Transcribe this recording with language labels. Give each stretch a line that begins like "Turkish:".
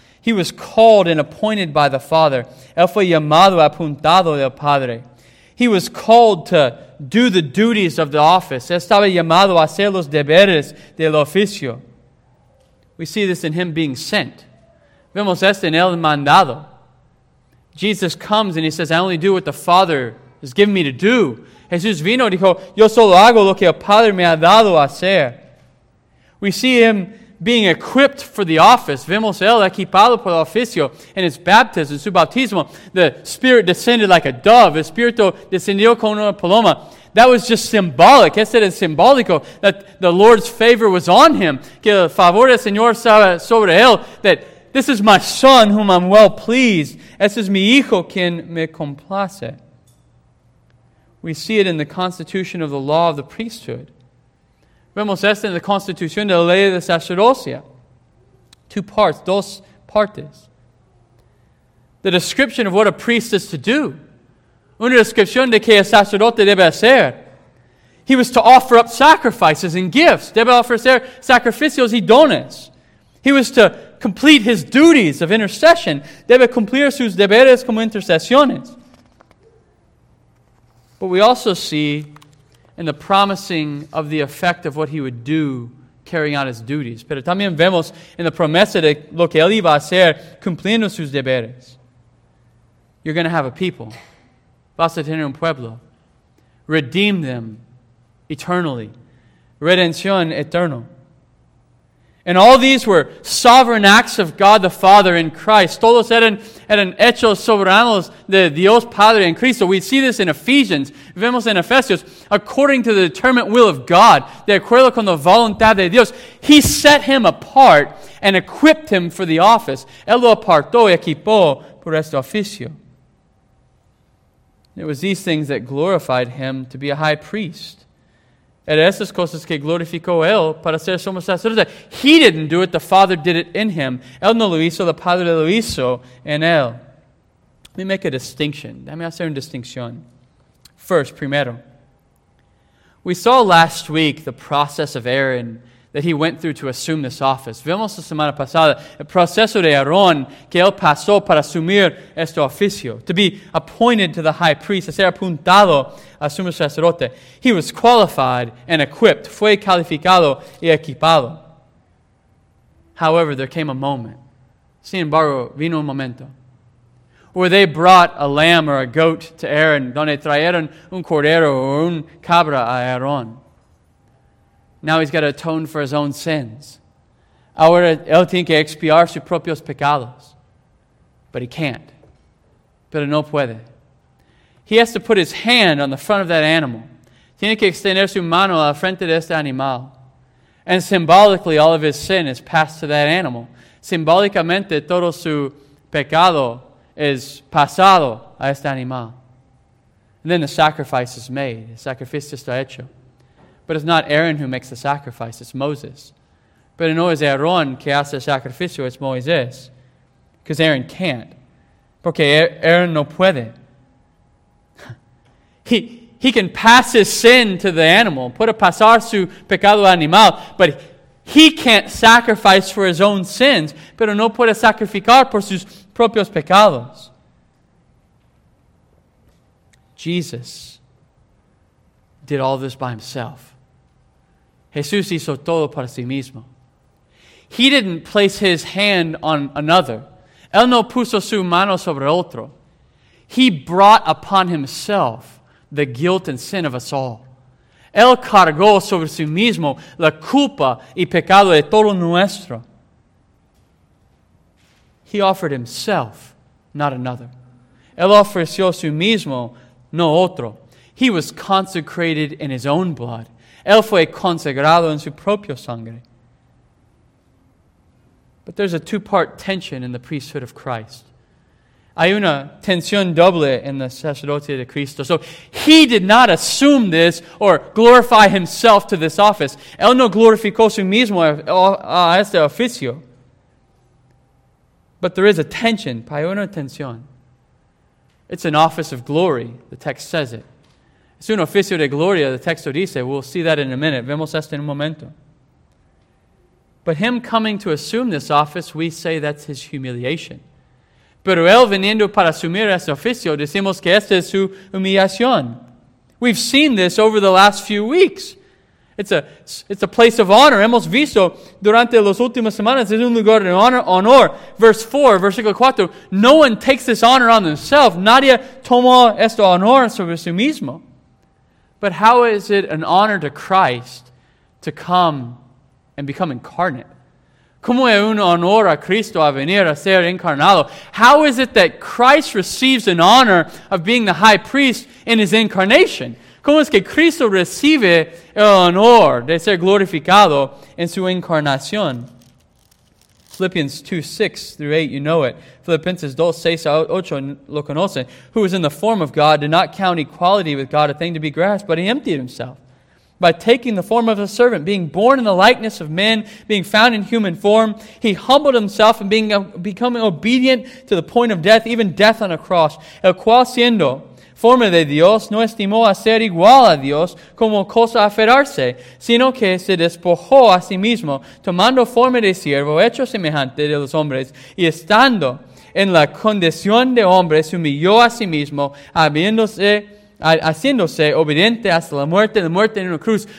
English: He was called and appointed by the Father.
Spanish: Él fue llamado, apuntado del Padre.
English: He was called to do the duties of the office.
Spanish: Él estaba llamado a hacer los deberes del oficio.
English: We see this in him being sent.
Spanish: Vemos esto en él mandado.
English: Jesus comes and he says, I only do what the Father has given me to do.
Spanish: Jesús vino y dijo, yo solo hago lo que el Padre me ha dado a hacer.
English: We see him being equipped for the office.
Spanish: Vemos él equipado por el oficio
English: in his baptism,
Spanish: su bautismo.
English: The Spirit descended like a dove.
Spanish: El Espíritu descendió como una paloma.
English: That was just symbolic.
Spanish: Es era simbólico
English: that the Lord's favor was on him.
Spanish: Que el favor del Señor estaba sobre él.
English: That this is my son whom I'm well pleased.
Spanish: Este es mi hijo quien me complace.
English: We see it in the constitution of the law of the priesthood.
Spanish: Vemos esto en la constitución de la ley de sacerdocia.
English: Two parts,
Spanish: dos partes.
English: The description of what a priest is to do.
Spanish: Una descripción de que el sacerdote debe hacer.
English: He was to offer up sacrifices and gifts.
Spanish: Debe ofrecer sacrificios y dones.
English: He was to complete his duties of intercession.
Spanish: Debe cumplir sus deberes como intercesiones.
English: But we also see in the promising of the effect of what he would do carrying out his duties.
Spanish: Pero también vemos en la promesa de lo que él iba a hacer cumpliendo sus deberes.
English: You're going to have a people.
Spanish: Vas a tener un pueblo.
English: Redeem them eternally.
Spanish: Redención eterno.
English: And all these were sovereign acts of God the Father in Christ.
Spanish: Todos eran hechos soberanos de Dios Padre en Cristo.
English: We see this in Ephesians.
Spanish: Vemos en Efesios.
English: According to the determined will of God,
Spanish: de acuerdo con la voluntad de Dios,
English: he set him apart and equipped him for the office.
Spanish: Él lo apartó y equipó por este oficio.
English: It was these things that glorified him to be a high priest.
Spanish: Era esas cosas que glorificó él para ser sumo sacerdote.
English: He didn't do it, the Father did it in him.
Spanish: Él no lo hizo, el Padre lo hizo en él.
English: Let me make a distinction.
Spanish: Déjame hacer una distinción.
English: First,
Spanish: primero.
English: We saw last week the process of Aaron that he went through to assume this office.
Spanish: Vimos la semana pasada el proceso de Aarón que él pasó para asumir este oficio,
English: to be appointed to the high priest,
Spanish: a ser apuntado a sumo sacerdote.
English: He was qualified and equipped,
Spanish: fue calificado y equipado.
English: However, there came a moment.
Spanish: Sin embargo, vino un momento
English: where they brought a lamb or a goat to Aaron,
Spanish: donde trajeron un cordero o un cabra a Aarón.
English: Now he's got to atone for his own sins.
Spanish: Ahora él tiene que expiar sus propios pecados.
English: But he can't.
Spanish: Pero no puede.
English: He has to put his hand on the front of that animal.
Spanish: Tiene que extender su mano al frente de este animal.
English: And symbolically, all of his sin is passed to that animal.
Spanish: Simbólicamente, todo su pecado es pasado a este animal.
English: And then the sacrifice is made.
Spanish: El sacrificio está hecho.
English: But it's not Aaron who makes the sacrifice, it's Moses.
Spanish: Pero no es Aarón que hace el sacrificio, es Moisés.
English: Because Aarón can't.
Spanish: Porque Aarón no puede.
English: He can pass his sin to the animal,
Spanish: puede pasar su pecado al animal,
English: but he can't sacrifice for his own sins,
Spanish: pero no puede sacrificar por sus propios pecados.
English: Jesus did all this by himself.
Spanish: Jesús hizo todo para sí mismo.
English: He didn't place his hand on another.
Spanish: Él no puso su mano sobre otro.
English: He brought upon himself the guilt and sin of us all.
Spanish: Él cargó sobre sí mismo la culpa y pecado de todo nuestro.
English: He offered himself, not another.
Spanish: Él ofreció su mismo, no otro.
English: He was consecrated in his own blood.
Spanish: Él fue consagrado en su propio sangre.
English: But there's a two-part tension in the priesthood of Christ.
Spanish: Hay una tensión doble en la sacerdote de Cristo.
English: So he did not assume this or glorify himself to this office.
Spanish: Él no glorificó su mismo a este oficio.
English: But there is a tension.
Spanish: Hay una tensión.
English: It's an office of glory. The text says it.
Spanish: Es un oficio de gloria. The texto dice.
English: We'll see that in a minute.
Spanish: Vemos esto en un momento.
English: But him coming to assume this office, we say that's his humiliation.
Spanish: Pero él viniendo para asumir este oficio, decimos que esta es su humillación.
English: We've seen this over the last few weeks. It's a place of honor.
Spanish: Hemos visto durante las últimas semanas, es un lugar de honor.
English: Verse 4,
Spanish: versículo 4,
English: no one takes this honor on themselves.
Spanish: Nadie tomó este honor sobre sí mismo.
English: But how is it an honor to Christ to come and become incarnate?
Spanish: ¿Cómo es un honor a Cristo a venir a ser encarnado?
English: How is it that Christ receives an honor of being the high priest in his incarnation?
Spanish: ¿Cómo es que Cristo recibe el honor de ser glorificado en su encarnación?
English: Philippians 2, 6 through 8, you know it.
Spanish: Filipenses 2, 6 a 8, lo conocen.
English: Who was in the form of God, did not count equality with God a thing to be grasped, but he emptied himself by taking the form of a servant, being born in the likeness of men, being found in human form. He humbled himself and becoming obedient to the point of death, even death on a cross.
Spanish: El cual siendo forma de Dios, no estimó a ser igual a Dios como cosa aferrarse, sino que se despojó a sí mismo, tomando forma de siervo, hecho semejante de los hombres, y estando en la condición de hombre, se humilló a sí mismo, haciéndose obediente hasta la muerte en una cruz.